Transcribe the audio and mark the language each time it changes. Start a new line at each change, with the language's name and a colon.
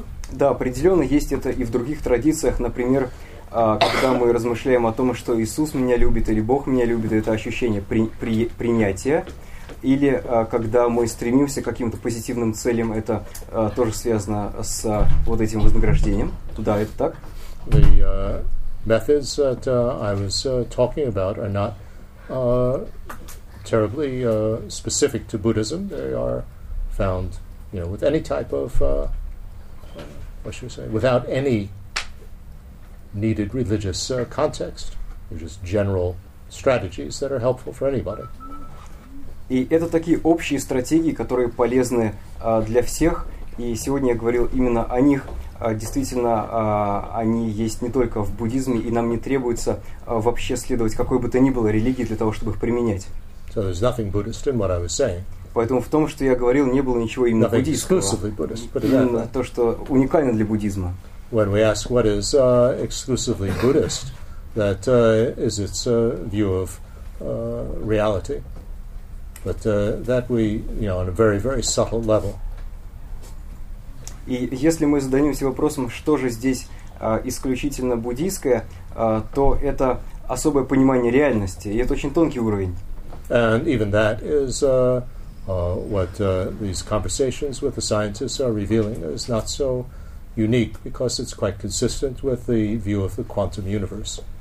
Russian: Да, определенно есть это и в других традициях. Например, когда мы размышляем о том, что Иисус меня любит или Бог меня любит, это ощущение принятия. Или когда мы стремимся к каким-то позитивным целям, это тоже связано с вот этим вознаграждением. Да, это так.
English: Methods that I was talking about are not terribly specific to Buddhism. They are found, you know, with any type of, what should we say, without any needed religious context. They're just general strategies that are helpful for anybody.
Russian: И это такие общие стратегии, которые полезны для всех. И сегодня я говорил именно о них. Действительно, они есть не только в буддизме, и нам не требуется вообще следовать какой бы то ни было религии для того, чтобы их применять.
English: So there's nothing Buddhist in what I was saying.
Russian: Поэтому в том, что я говорил, не было ничего именно
English: nothing
Russian: буддийского.
English: Exclusively Buddhist, but
Russian: именно то, что уникально для буддизма.
English: When we ask what is exclusively Buddhist, that is its view of reality. But that we, you know, on a very, very subtle level.
Russian: И если мы зададимся вопросом, что же здесь исключительно буддийское, то это особое понимание реальности, и это очень тонкий уровень.
English: And even that is what these conversations with the scientists are revealing is not so unique, because it's quite consistent with the view of the quantum universe.